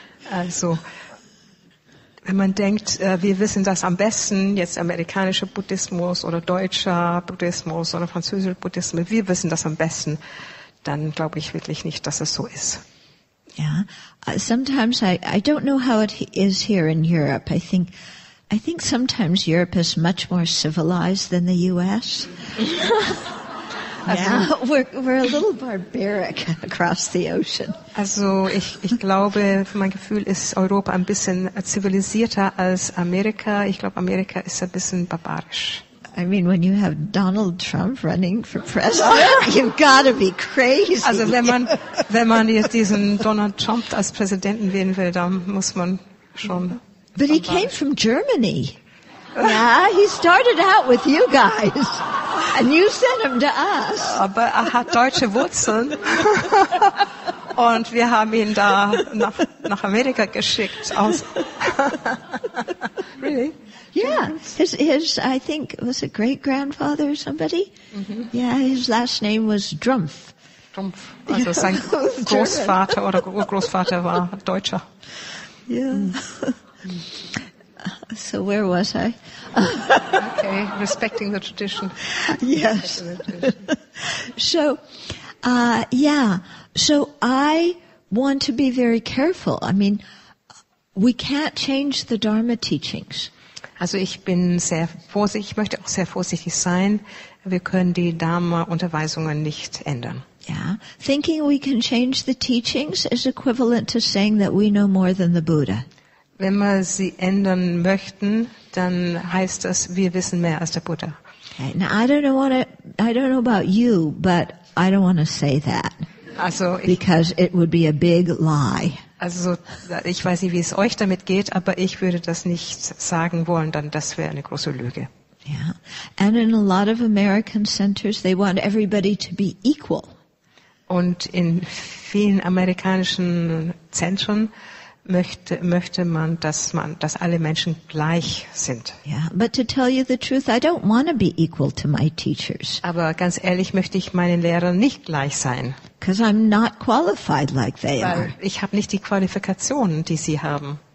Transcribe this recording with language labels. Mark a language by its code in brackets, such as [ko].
[de] Also, wenn man denkt, wir wissen das am besten, jetzt amerikanischer Buddhismus oder deutscher Buddhismus oder französischer Buddhismus, wir wissen das am besten, dann glaube ich wirklich nicht, dass es so ist. [en] Yeah. Sometimes I don't know how it is here in Europe. I think sometimes Europe is much more civilized than the US. Yeah. We're a little barbaric across the ocean. [de] Also, ich glaube, für mein Gefühl ist Europa ein bisschen zivilisierter als Amerika. Ich glaube, Amerika ist ein bisschen barbarisch. [en] I mean, when you have Donald Trump running for president, you've got to be crazy. [de] Also, wenn man jetzt diesen Donald Trump als Präsidenten wählen will, dann muss man schon. [en] But he came from Germany. Yeah, he started out with you guys, and you sent him to us. [de] Aber er hat deutsche Wurzeln, und wir haben ihn da nach Amerika geschickt. [en] Really? Yeah. I think it was a great grandfather or somebody. Mm-hmm. Yeah, his last name was Drumpf. [de] Drumpf. Also sein Großvater oder Urgroßvater war Deutscher. [en] Yeah. So where was I? Okay, respecting the tradition. Yes. So I want to be very careful. I mean, we can't change the Dharma teachings. [de] Also ich bin sehr vorsichtig, ich möchte auch sehr vorsichtig sein. Wir können die Dharma-Unterweisungen nicht ändern. [en] Yeah, thinking we can change the teachings is equivalent to saying that we know more than the Buddha. [de] Wenn wir sie ändern möchten, dann heißt das, wir wissen mehr als der Buddha. [en] Okay. Now, I don't know about you, but I don't want to say that. [de] Also [en] because it would be a big lie. [de] Also ich weiß nicht, wie es euch damit geht, aber ich würde das nicht sagen wollen, dann das wäre eine große Lüge. [en] Yeah. And in a lot of American centers, they want everybody to be equal. [de] Und in vielen amerikanischen Zentren möchte man, dass alle Menschen gleich sind. [en] Yeah, but to tell you the truth, I don't want to be equal to my teachers. [de] Aber ganz ehrlich möchte ich meinen Lehrern nicht gleich sein. [en] Because I'm not qualified like they [de] Weil [en] are. [de] Ich habe nicht die Qualifikationen, die sie haben.